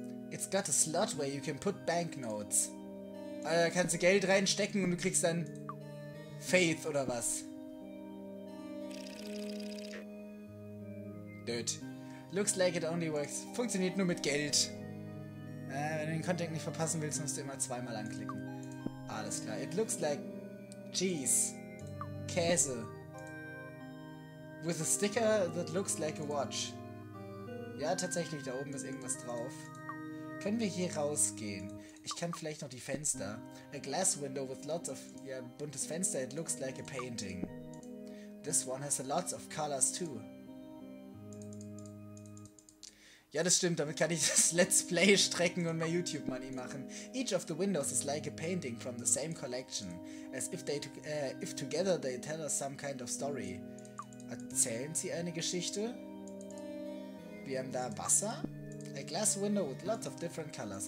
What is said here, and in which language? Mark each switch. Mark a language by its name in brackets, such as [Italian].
[English] It's got a slot where you can put banknotes. [German] Da kannst du Geld reinstecken und du kriegst dann Faith oder was? [English] Good. Looks like it only works. [German] Funktioniert nur mit Geld. Wenn du den Content nicht verpassen willst, musst du immer zweimal anklicken. Alles klar. [English] It looks like cheese. [German] Käse. [English] With a sticker that looks like a watch. [German] Ja, tatsächlich, da oben ist irgendwas drauf. Können wir hier rausgehen? Ich kann vielleicht noch die Fenster. [English] A glass window with lots of... [German] Ja, buntes Fenster. [English] It looks like a painting. This one has a lots of colors too. [German] Ja, das stimmt, damit kann ich das Let's Play strecken und mehr YouTube-Money machen. [English] Each of the windows is like a painting from the same collection. As if they if together they tell us some kind of story. [German] Erzählen sie eine Geschichte? Wir haben da Wasser? [English] A glass window with lots of different colors.